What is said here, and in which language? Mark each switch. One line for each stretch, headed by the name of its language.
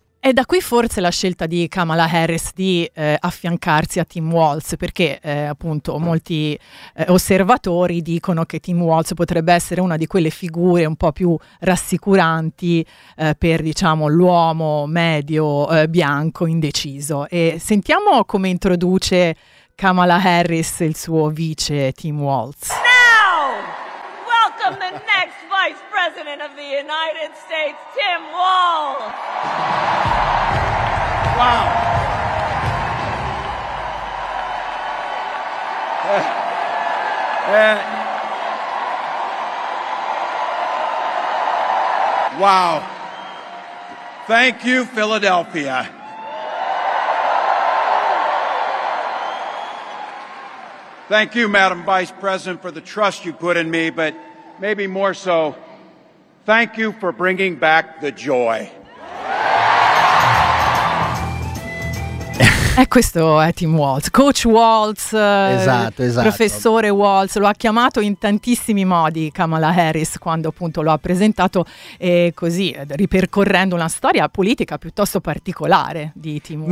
Italian: E da qui forse la scelta di Kamala Harris di affiancarsi a Tim Walz, perché appunto molti osservatori dicono che Tim Walz potrebbe essere una di quelle figure un po' più rassicuranti per, diciamo, l'uomo medio bianco indeciso. E sentiamo come introduce Kamala Harris il suo vice Tim Walz.
English: Now, welcome the next Vice President of the United States, Tim Walz. Wow. Wow. Thank you, Philadelphia. Thank you, Madam Vice President, for the trust you put in me, but maybe more so, thank you for bringing back the joy.
Italian: Questo è Tim Walz, Coach Walz, esatto, esatto. Professore Walz, lo ha chiamato in tantissimi modi Kamala Harris quando appunto lo ha presentato, e così ripercorrendo una storia politica piuttosto particolare di Tim Walz.